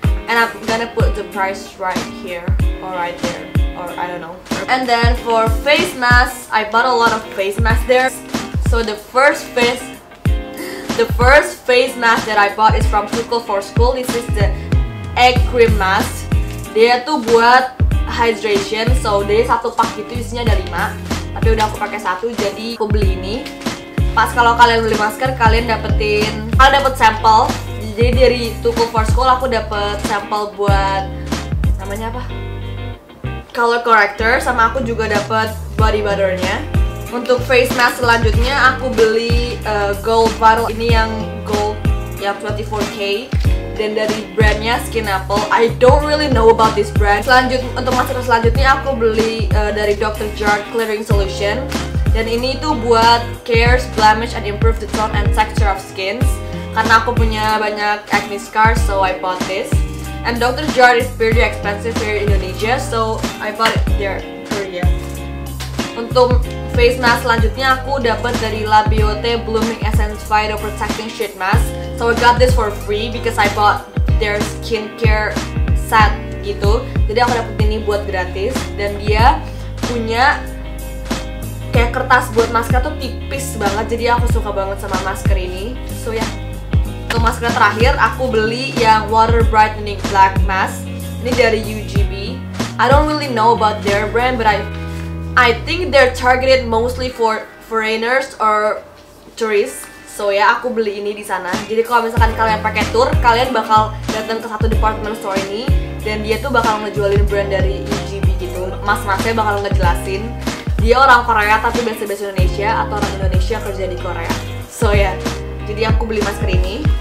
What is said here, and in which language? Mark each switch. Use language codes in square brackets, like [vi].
[en] And I'm gonna put the price right here or right there or I don't know. And then for face masks, I bought a lot of face masks there. So the first face mask that I bought is from Tukul for School. This is the egg cream mask. [id] Dia tuh buat hydration. [en] So [id] dia satu pack itu isinya ada 5. Tapi udah aku pakai satu, jadi aku beli ini. Pas kalau kalian beli masker, kalian dapet sample. Jadi dari Tukul for School aku dapet sampel buat namanya apa? Color corrector, sama aku juga dapet body butternya. Untuk face mask selanjutnya aku beli gold bottle. Ini yang gold yang 24K. Dan dari brandnya Skin Apple. [en] I don't really know about this brand. [id] Untuk masker selanjutnya aku beli dari [en] Dr.JART Clearing Solution. [id] Dan ini tuh buat [en] cares, blemish, and improve the tone and texture of skins. [id] Karena aku punya banyak [en] acne scars, so I bought this. And Dr.JART is pretty expensive here in Indonesia, so I bought it there for you. [id] Untuk face mask selanjutnya aku dapat dari Labiote Blooming Essence Phyto Protecting Sheet Mask. [en] So I got this for free because I bought their skincare set [id] gitu. Jadi aku dapat ini buat gratis. Dan dia punya kayak kertas buat masker tuh tipis banget, jadi aku suka banget sama masker ini. [en] So ya. [id] Untuk masker terakhir, aku beli yang Water Brightening Black Mask. Ini dari UGB. [en] I don't really know about their brand, but I think they're targeted mostly for foreigners or tourist. So [id] ya, aku beli ini di sana. Jadi kalau misalkan kalian pakai tour, kalian bakal datang ke satu department store ini dan dia tuh bakal ngejualin brand dari EGB gitu. Mas-masnya bakal ngejelasin dia orang Korea tapi bahasa Indonesia atau orang Indonesia kerja di Korea. [en] So [id] ya, jadi aku beli masker ini.